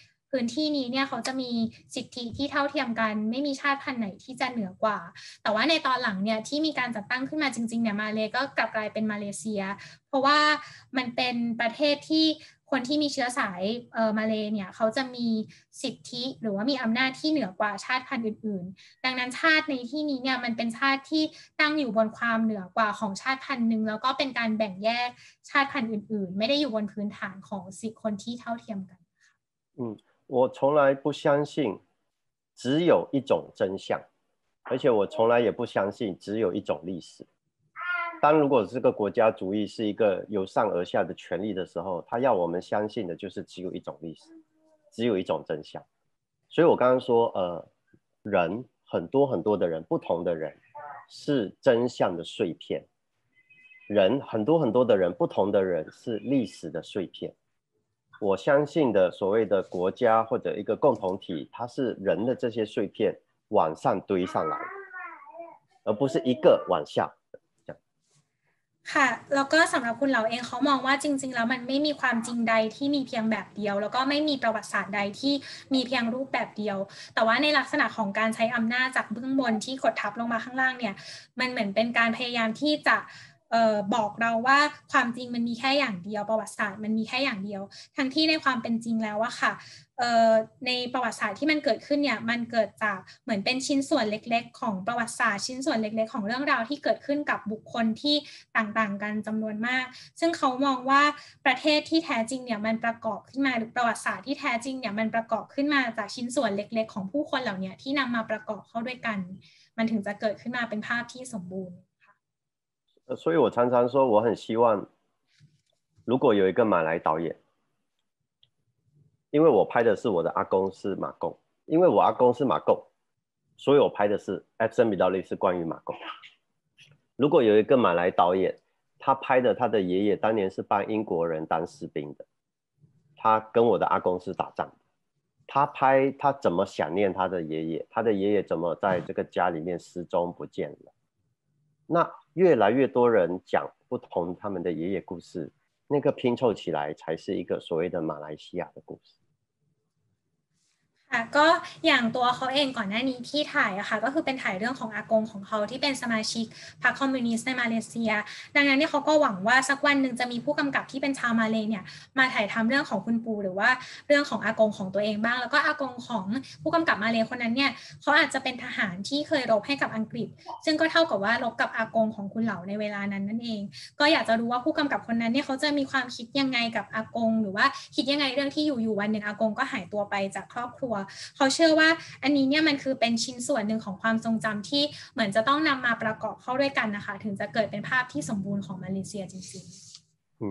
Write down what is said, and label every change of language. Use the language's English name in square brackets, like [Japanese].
[Thai] พื้นที่นี้เนี่ยเขาจะมีสิทธิที่เท่าเทียมกันไม่มีชาติพันธุ์ไหนที่จะเหนือกว่าแต่ว่าในตอนหลังเนี่ยที่มีการจัดตั้งขึ้นมาจริงๆเนี่ยมาเลย์ก็กลับกลายเป็นมาเลเซียเพราะว่ามันเป็นประเทศที่คนที่มีเชื้อสายมาเลย์เนี่ยเขาจะมีสิทธิหรือว่ามีอำนาจที่เหนือกว่าชาติพันธุ์อื่นๆดังนั้นชาติในที่นี้เนี่ยมันเป็นชาติที่ตั้งอยู่บนความเหนือกว่าของชาติพันธุ์นึงแล้วก็เป็นการแบ่งแยกชาติพันธุ์อื่นๆไม่ได้อยู่บนพื้นฐานของสิทธิคนที่เท่าเทียมกันค่ะ [Chinese] 我从来不相信只有一种真相而且我从来也不相信只有一种历史当如果这个国家主义是一个由上而下的权力的时候他要我们相信的就是只有一种历史只有一种真相所以我刚刚说人很多很多的人不同的人是真相的碎片人很多很多的人不同的人是历史的碎片我相信的所谓的国家或者一个共同体它是人的这些碎片往上堆上来而不是一个往下 [Thai] ค่ะแล้วก็สำหรับคุณเหล่าเองเขามองว่าจริงๆแล้วมันไม่มีความจริงใดที่มีเพียงแบบเดียวแล้วก็ไม่มีประวัติศาสตร์ใดที่มีเพียงรูปแบบเดียวแต่ว่าในลักษณะของการใช้อำนาจจากเบื้องบนที่กดทับลงมาข้างล่างเนี่ยมันเหมือนเป็นการพยายามที่จะบอกเราว่าความจริงมันมีแค่อย่างเดียวประวัติศาสตร์มันมีแค่อย่างเดียวทั้งที่ในความเป็นจริงแล้วอะค่ะ ในประวัติศาสตร์ที่มันเกิดขึ้นเนี่ยมันเกิดจากเหมือนเป็นชิ้นส่วนเล็กๆของประวัติศาสตร์ชิ้นส่วนเล็กๆของเรื่องราวที่เกิดขึ้นกับบุคคลที่ต่างๆกันจำนวนมากซึ่งเขามองว่าประเทศที่แท้จริงเนี่ยมันประกอบขึ้นมาหรือประวัติศาสตร์ที่แท้จริงเนี่ยมันประกอบขึ้นมาจากชิ้นส่วนเล็กๆของผู้คนเหล่านี้ที่นำมาประกอบเข้าด้วยกันมันถึงจะเกิดขึ้นมาเป็นภาพที่สมบูรณ์ค่ะ [Chinese] 所以我常常说我很希望如果有一个马来导演，因为我拍的是我的阿公是马共，因为我阿公是马共，所以我拍的是 Absent Middle East 关于马共。如果有一个马来导演，他拍的他的爷爷当年是帮英国人当士兵的，他跟我的阿公是打仗的，他拍他怎么想念他的爷爷，他的爷爷怎么在这个家里面失踪不见了。那越来越多人讲不同他们的爷爷故事，那个拼凑起来才是一个所谓的马来西亚的故事。 [Thai] ก็อย่างตัวเขาเองก่อนหน้านี้ที่ถ่ายอะค่ะก็คือเป็นถ่ายเรื่องของอากงของเขาที่เป็นสมาชิกพรรคคอมมิวนิสต์ในมาเลเซียดังนั้นเนี่ยเขาก็หวังว่าสักวันหนึ่งจะมีผู้กำกับที่เป็นชาวมาเลเนี่ยมาถ่ายทำเรื่องของคุณปูหรือว่า เรื่องของอากงของตัวเองบ้างแล้วก็อากงของผู้กำกับมาเลคนนั้นเนี่ยเขาอาจจะเป็นทหารที่เคยรบให้กับอังกฤษซึ่งก็เท่ากับว่ารบกับอากงของคุณเหล่าในเวลานั้นนั่นเองก็อยากจะรู้ว่าผู้กำกับคนนั้นเนี่ยเขาจะมีความคิดยังไงกับอากงหรือว่าคิดยังไงเรื่องที่อยู่วันหนึ่งอากงก็หายตัวไปจากครอบครัวเขาเชื่อว่าอันนี้เนี่ยมันคือเป็นชิ้นส่วนหนึ่งของความทรงจำที่เหมือนจะต้องนำมาประกอบเข้าด้วยกันนะคะถึงจะเกิดเป็นภาพที่สมบูรณ์ของมาเลเซียจริงๆอื